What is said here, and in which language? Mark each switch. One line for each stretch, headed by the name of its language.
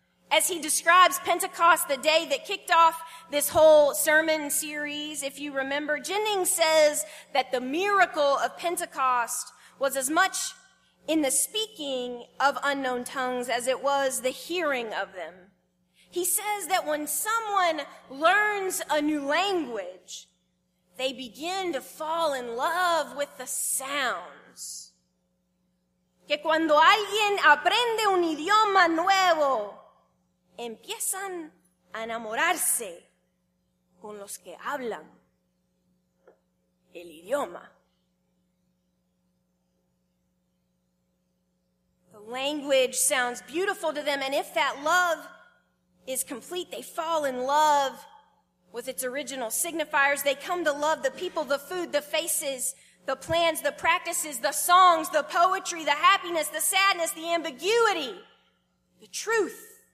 English: As he describes Pentecost, the day that kicked off this whole sermon series, if you remember, Jennings says that the miracle of Pentecost was as much in the speaking of unknown tongues as it was the hearing of them. He says that when someone learns a new language, they begin to fall in love with the sounds.
Spanish: Que cuando alguien aprende un idioma nuevo, empiezan a enamorarse con los que hablan el idioma.
English: The language sounds beautiful to them, and if that love is complete, they fall in love with its original signifiers. They come to love the people, the food, the faces, the plans, the practices, the songs, the poetry, the happiness, the sadness, the ambiguity, the truth.